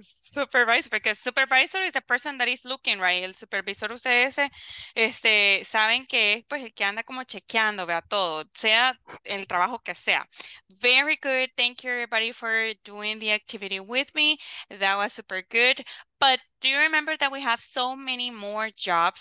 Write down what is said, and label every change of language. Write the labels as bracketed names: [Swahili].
[English] Supervisor, porque supervisor is the person that is looking, right? [Spanish] El supervisor, ustedes saben que es pues el que anda como chequeando, vea todo, sea el trabajo que sea. [English] Very good. Thank you everybody for doing the activity with me. That was super good. But do you remember that we have so many more jobs?